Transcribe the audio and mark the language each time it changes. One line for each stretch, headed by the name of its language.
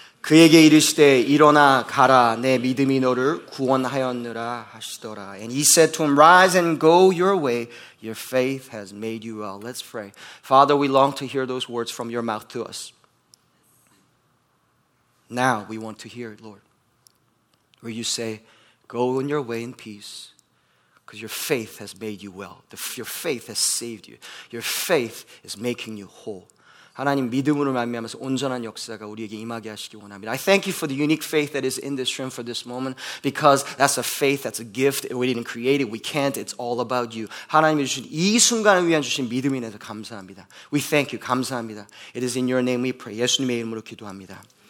Korean: 그에게 이르시되 일어나 가라 내 믿음이 너를 구원하였느라 하시더라.
English: And he said to him, "Rise and go your way. Your faith has made you well." Let's pray. Father, we long to hear those words from your mouth to us. Now we want to hear it, Lord. Where you say, "Go in your way in peace, because your faith has made you well. Your faith has saved you. Your faith is making you whole."
Korean: 하나님 믿음으로 말미암아서 온전한 역사가 우리에게 임하게 하시기 원합니다.
English: I thank you for the unique faith that is in this room for this moment because that's a faith, that's a gift. We didn't create it, we can't. It's all about you.
Korean: 하나님이 주신 이 순간을 위한 주신 믿음에 대해서 감사합니다.
English: We thank you.
Korean: 감사합니다.
English: It is in your name we pray.
Korean: 예수님의 이름으로 기도합니다.